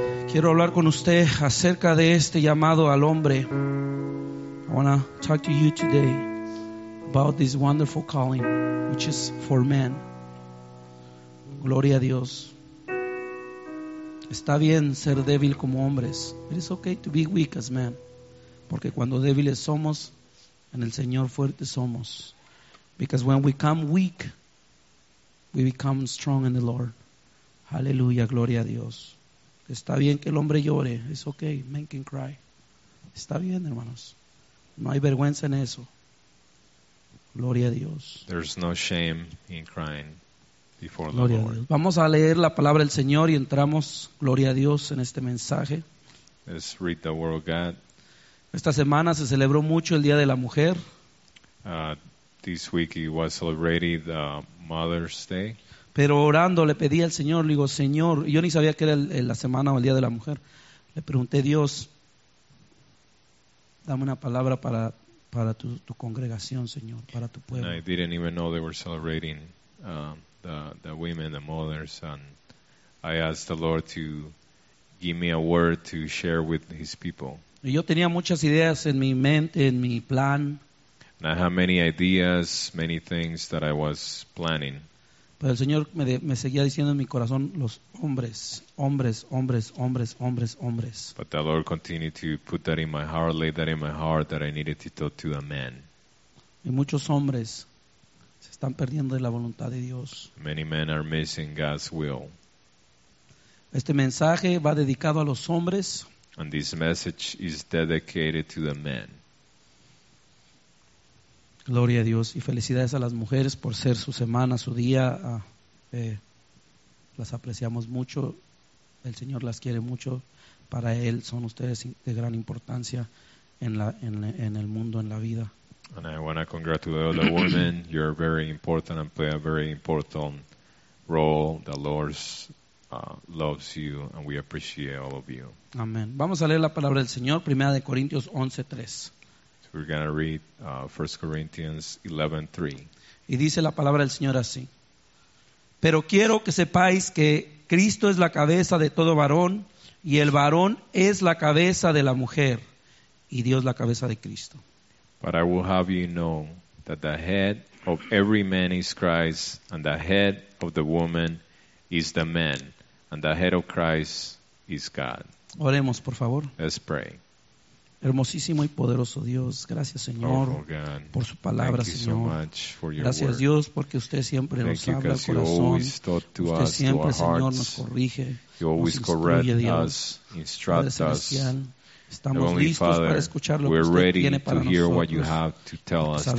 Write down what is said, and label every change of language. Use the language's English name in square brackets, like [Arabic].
[Spanish] Quiero hablar con usted acerca de este llamado al hombre. [English] I want to talk to you today about this wonderful calling, which is for men. [Spanish] Gloria a Dios. Está bien ser débil como hombres. [English] It is okay to be weak as men. [Spanish] Porque cuando débiles somos, en el Señor fuertes somos. [English] Because when we come weak, we become strong in the Lord. [Spanish] Aleluya, gloria a Dios. Está bien que el hombre llore. [English] It's okay, men can cry. [Spanish] Está bien, hermanos. No hay vergüenza en eso. Gloria a Dios. [English] There's no shame in crying before [Spanish] gloria [English] the Lord. [Spanish] Dios. Vamos a leer la palabra del Señor y entramos, gloria a Dios, en este mensaje. [English] Let's read the word of God. [Spanish] Esta semana se celebró mucho el Día de la Mujer. [English] This week it was celebrated the Mother's Day. [Spanish] Pero orando le pedí al Señor, le digo, Señor, yo ni sabía que era la semana o el Día de la Mujer. Le pregunté, Dios, dame una palabra para tu congregación, Señor, para tu pueblo. [English] And I didn't even know they were celebrating the women, the mothers, and I asked the Lord to give me a word to share with His people. [Spanish] Y yo tenía muchas ideas en mi mente, en mi plan. [English] And I had many ideas, many things that I was planning. [Spanish] Pero el Señor me seguía diciendo en mi corazón, los hombres, hombres, hombres, hombres, hombres, hombres. [English] But the Lord continued to put that in my heart, lay that in my heart, that I needed to talk to a man. [Spanish] Y muchos hombres se están perdiendo de la voluntad de Dios. [English] Many men are missing God's will. [Spanish] Este mensaje va dedicado a los hombres. [English] And this message is dedicated to the men. [Spanish] Gloria a Dios y felicidades a las mujeres por ser su semana, su día. Las apreciamos mucho. El Señor las quiere mucho. Para Él son ustedes de gran importancia en el mundo, en la vida. [English] And I want to congratulate the women. You're very important and play a very important role. The Lord loves you and we appreciate all of you. [Spanish] Amén. Vamos a leer la palabra del Señor, 1 de Corintios 11:3. [English] We're going to read 1 Corinthians 11:3. [Spanish] Y dice la palabra del Señor así. Pero quiero que sepáis que Cristo es la cabeza de todo varón, y el varón es la cabeza de la mujer, y Dios la cabeza de Cristo. [English] But I will have you know that the head of every man is Christ, and the head of the woman is the man, and the head of Christ is God. [Spanish] Oremos, por favor. [English] Let's pray. [Spanish] Hermosísimo y poderoso Dios, gracias Señor por su palabra, Señor. Gracias Dios porque usted siempre nos habla al corazón. Usted siempre, Señor, nos corrige, nos instruye, Dios. Padre Celestial, estamos listos para escuchar lo que usted tiene para nosotros.